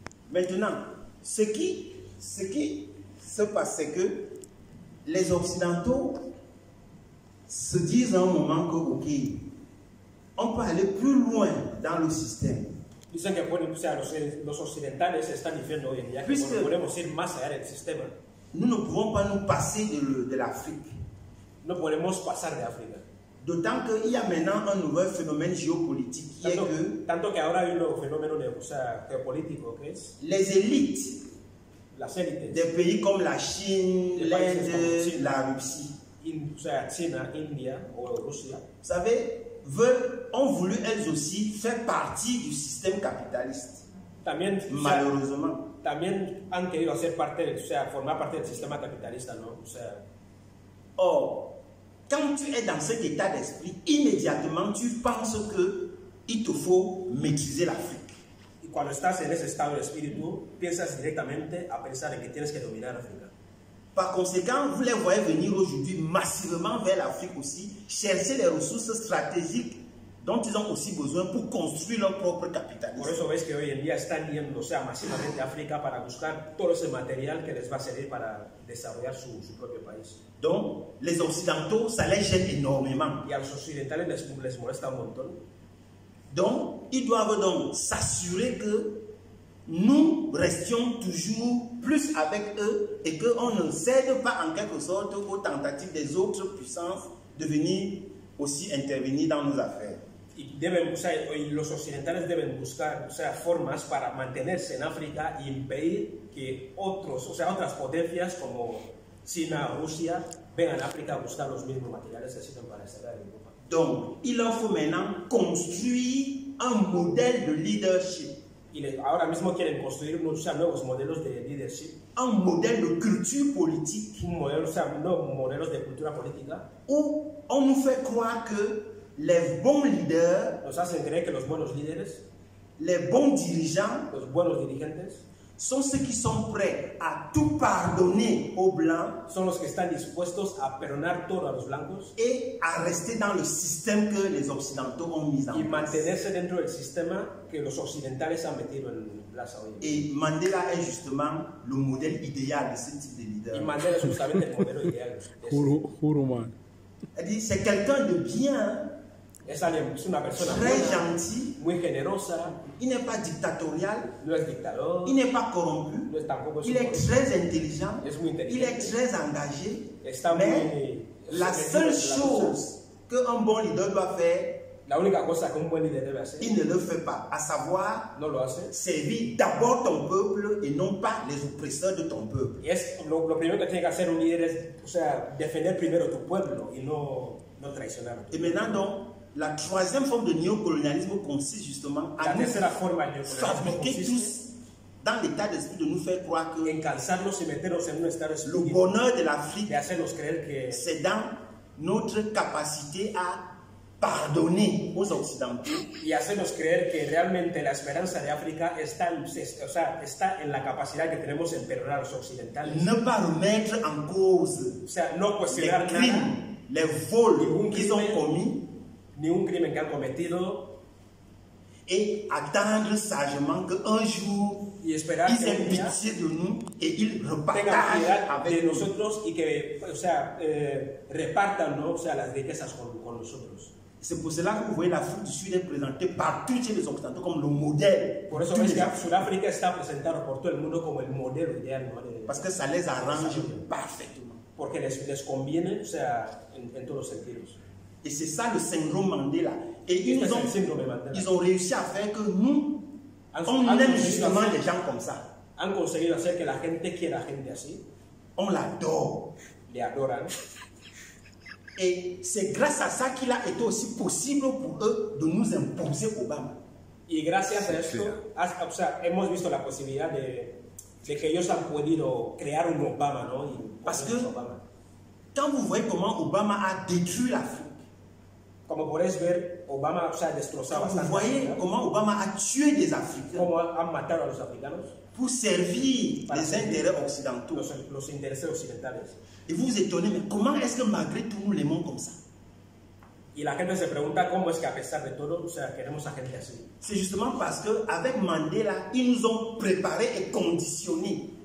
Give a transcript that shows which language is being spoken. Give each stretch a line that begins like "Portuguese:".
French: Maintenant, ce qui se passe, c'est que les Occidentaux se disent à un moment que ok, on peut aller plus loin dans le système.
Spanish: Dicen que pueden, o sea, los occidentales están diciendo hoy en día que bueno, podemos ir más allá del sistema.
French: Nous ne pouvons pas nous passer de l'Afrique.
Spanish: No podemos pasar de África.
French: D'autant qu'il y a maintenant un nouveau phénomène géopolitique qui
Spanish: tanto,
French: est que.
Spanish: Tanto que ahora hay un nuevo fenómeno de, o sea, geopolítico, ¿qué es?
French: Les élites.
Spanish: Las élites.
French: Des pays comme la Chine, l'Inde, la Russie.
Spanish: O sea, China, India o Rusia. ¿Sabes?
French: Veulent, ont voulu elles aussi faire partie du système capitaliste.
Spanish: También,
French: malheureusement.
Spanish: También han querido hacer parte, o sea, formar parte del sistema capitalista, ¿no? O sea.
French: Or, quand tu es dans cet état d'esprit, immédiatement tu penses que il te faut maîtriser l'Afrique.
Spanish: Y cuando estás en ese estado de espíritu, piensas directamente a pensar en que tienes que dominar África.
French: Par conséquent, vous les voyez venir aujourd'hui massivement vers l'Afrique aussi, chercher les ressources stratégiques dont ils ont aussi besoin pour construire leur propre capitalisme.
Spanish: Por eso ves que hoy en día están yendo, o sea, masivamente a África para buscar todo ese material que les va a servir para desarrollar su, su propio país.
French: Donc, les occidentaux, ça les gêne énormément.
Spanish: Y a los occidentales les molesta un montón.
French: Donc, ils doivent donc s'assurer que nous restions toujours plus avec eux et qu'on ne cède pas en quelque sorte aux tentatives des autres puissances de venir aussi intervenir dans nos affaires.
Spanish: Y deben, o sea, los occidentales deben buscar, o sea, formas para mantenerse en África y impedir que otros, o sea, otras potencias como China,
French: Russie, ben en Afrique,
Spanish: buscar los mismos materiales que sirven para extraer el agua.
French: Donc, il en faut maintenant construire un modèle de leadership. Il est
Spanish: ahora mismo quieren construir unos nuevos modelos de leadership.
French: Un modèle de culture politique.
Spanish: Un modelo, o sea, nuevos modelos de cultura política.
French: Où on nous fait croire que les bons leaders,
Spanish: nos hacen creer que los buenos líderes,
French: les bons dirigeants,
Spanish: los buenos dirigentes,
French: sont ceux qui sont prêts à tout pardonner aux blancs,
Spanish: son los que están dispuestos a perdonar todo a los blancos,
French: et à rester dans le système que les occidentaux ont mis en place,
Spanish: y mantenerse dentro del sistema que los occidentales han metido en place hoy.
French: Et Mandela est justement le modèle idéal de ce type de leader.
Spanish: Y Mandela es justamente el modelo ideal. Juro, man.
French: Dit, c'est quelqu'un de bien.
Spanish: Es una persona
French: très
Spanish: buena,
French: gentil,
Spanish: muy generosa.
French: Il n'est pas dictatorial.
Spanish: No es dictador.
French: Il n'est pas corrompu.
Spanish: No es tampoco.
French: Il est très intelligent.
Spanish: Es muy inteligente.
French: Il est très engagé.
Spanish: Está
French: mais
Spanish: muy,
French: la seule chose que un bon leader doit faire,
Spanish: la única cosa que un buen líder debe hacer,
French: il ne le fait pas, à savoir,
Spanish: no lo hace,
French: servir d'abord ton peuple et non pas les oppresseurs de ton peuple.
Spanish: Es lo primero que tiene que hacer un líder es, o sea, defender primero tu pueblo y no traicionar.
French: Et maintenant donc, la troisième forme de néocolonialisme consiste justement à nous fabriquer tous dans l'état d'esprit de nous faire croire que
Spanish: en cansarnos y meternos en un estado
French: le bonheur de l'Afrique,
Spanish: de hacernos creer que
French: c'est dans notre capacité à pardonner aux Occidentaux.
Spanish: Y hacernos creer que realmente la esperanza de África está, o sea, está en la capacidad que tenemos en perdonar a los occidentales.
French: Ne pas remettre en cause,
Spanish: o sea, no cuestionar
French: les crimes,
Spanish: nada,
French: les vols qu'ils ont commis.
Spanish: Ni un crimen que han cometido,
French: et attendre sagement qu'un jour ils aient pitié de nous et ils repartagent avec nous
Spanish: nosotros y que, o sea, repartan, ¿no? O sea, las riquezas con nosotros.
French: C'est pour cela que vous voyez l'Afrique du Sud est présentée partout chez les Occidentaux comme le modèle.
Spanish: Por eso es que Sudáfrica está presentado por todo el mundo como el modelo ideal, ¿no?
French: Parce que ça les arrange parfaitement.
Spanish: Porque les conviene, o sea, en todos los sentidos.
French: Et c'est ça le syndrome Mandela. Et ils ont, réussi à faire que nous, on aime justement les gens comme ça.
Spanish: Han conseguido hacer que la gente quiera gente así.
French: On l'adore.
Spanish: Le adoran.
French: Et c'est grâce à ça qu'il a été aussi possible pour eux de nous imposer Obama.
Spanish: Y gracias a esto, o sea, hemos visto la posibilidad de que ellos han podido crear un Obama, ¿no?
French: Parce que Obama, quand vous voyez comment Obama a détruit l'Afrique,
Spanish: como podéis ver, Obama, o sea, destrozaba
French: vous
Spanish: bastante.
French: Voyez Africa, comment Obama a tué des Africains.
Spanish: Como han matado a los africanos.
French: Pour servir les intérêts occidentaux.
Spanish: Los intereses occidentales.
French: Et vous vous étonnez, mais comment est-ce que malgré tout nous l'aimons comme ça?
Spanish: Y la gente se pregunta cómo es que a pesar de todo, o sea, queremos a gente así.
French: C'est justement parce que avec Mandela, ils nous ont préparé et conditionnés.